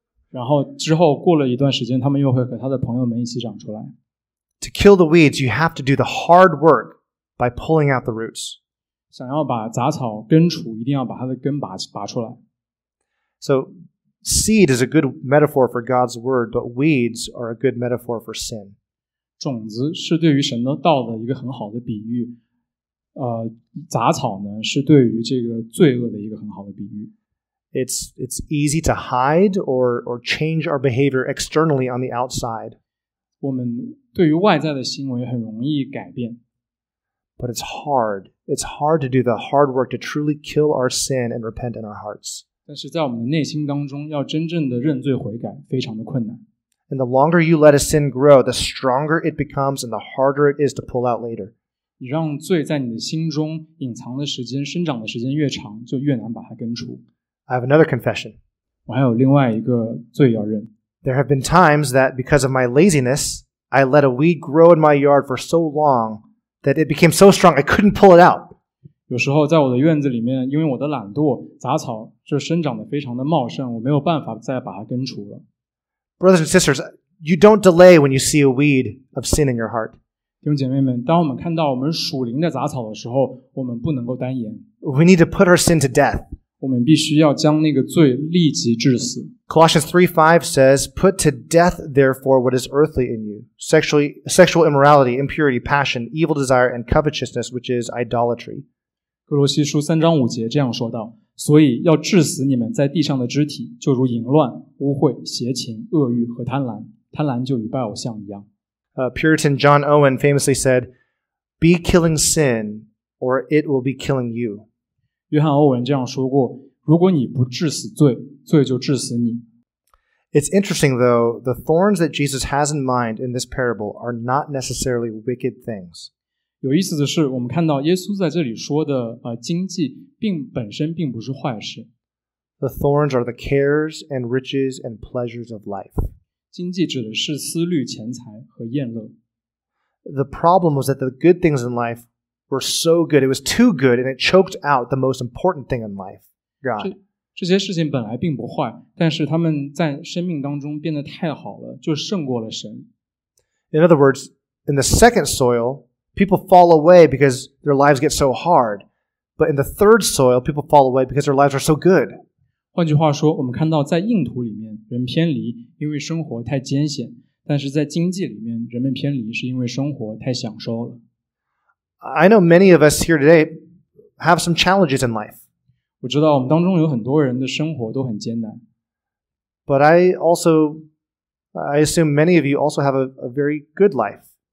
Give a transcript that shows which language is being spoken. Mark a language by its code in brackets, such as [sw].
[zh] 然后之后过了一段时间，他们又会和他的朋友们一起长出来。 [en] To kill the weeds, you have to do the hard work by pulling out the roots. [zh] 想要把杂草根除，一定要把它的根拔出来。 [en] So, seed is a good metaphor for God's word, but weeds are a good metaphor for sin. [zh] 种子是对于神的道的一个很好的比喻，杂草呢是对于这个罪恶的一个很好的比喻。 [en] It's easy to hide or change our behavior externally on the outside. [zh] 我们对于外在的行为很容易改变。 [en] But it's hard. It's hard to do the hard work to truly kill our sin and repent in our hearts. [zh] 但是在我们的内心当中要真正的认罪悔改非常的困难。 [en] And the longer you let a sin grow, the stronger it becomes and the harder it is to pull out later. [zh] 你让罪在你的心中隐藏的时间、生长的时间越长，就越难把它根除。 [en] I have another confession. [zh] 我还有另外一个罪要认。 [en] There have been times that because of my laziness, I let a weed grow in my yard for so long that it became so strong I couldn't pull it out. [zh] 有时候在我的院子里面，因为我的懒惰，杂草就生长得非常的茂盛，我没有办法再把它根除了。 [en] Brothers and sisters, you don't delay when you see a weed of sin in your heart. [zh] 弟兄姐妹们，当我们看到我们属灵的杂草的时候，我们不能够单言。 [en] We need to put our sin to death. [zh] 我们必须要将那个罪立即致死。 [en] Colossians 3:5 says, "Put to death, therefore, what is earthly in you: sexual immorality, impurity, passion, evil desire, and covetousness, which is idolatry." [zh] 哥罗西书三章五节这样说道：所以要致死你们在地上的肢体，就如淫乱、污秽、邪情、恶欲和贪婪。贪婪就与拜偶像一样。 [en] Puritan John Owen famously said, "Be killing sin, or it will be killing you." [zh] 约翰·欧文这样说过：如果你不致死罪，罪就致死你。 [en] It's interesting, though, the thorns that Jesus has in mind in this parable are not necessarily wicked things. [zh] 有意思的是，我们看到耶稣在这里说的荆棘，本身并不是坏事。 [en] The thorns are the cares and riches and pleasures of life. [zh] 经济指的是思虑、钱财和厌乐。 [en] The problem was that the good things in life were so good, it was too good, and it choked out the most important thing in life, God. [zh] 这些事情本来并不坏，但是他们在生命当中变得太好了，就胜过了神。 [en] In other words, in the second soil, people fall away because their lives get so hard. But in the third soil, people fall away because their lives are so good. [zh] 换句话说，我们看到在硬土里面人偏离，因为生活太艰险；但是在荆棘里面，人们偏离是因为生活太享受了。 [en] I know many of us here today have some challenges in life. [zh] 我知道我们当中有很多人的生活都很艰难。 [en] But I assume many of you also have a very good life.